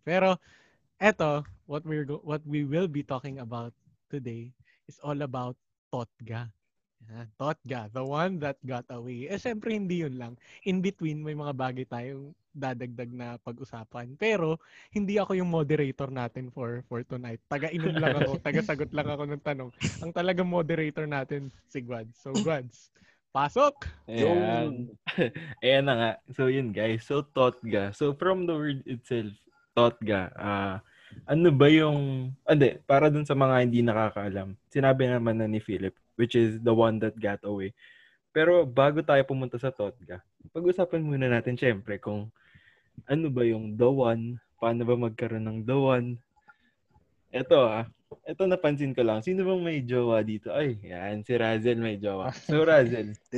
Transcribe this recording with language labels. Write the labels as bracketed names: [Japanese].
[Filipino] Pero, eto, [English] what we will be talking about today is all about Totga. [Filipino] Totga, [English] the one that got away. [Filipino] Eh, syempre, hindi yun lang. In between, may mga bagay tayong dadagdag na pag-usapan. Pero, hindi ako yung moderator natin [English] for tonight. [Filipino] Taga-inom lang ako, taga-sagot lang ako ng tanong. Ang talagang moderator natin, si Guads. So, Guads, pasok! Ayan. Ayan na nga. So, yun guys. So, Totga. So, from the word itself, Totga. Ano ba yung... Hindi, para dun sa mga hindi nakakaalam. Sinabi naman na ni Philip, [English] which is the one that got away. [Filipino] Pero bago tayo pumunta sa Totga, pag-usapan muna natin syempre kung ano ba yung the one, paano ba magkaroon ng the one. Ito ah, ito napansin ko lang. Sino bang may jowa dito? Ay, yan, si Razel may jowa. So Razel.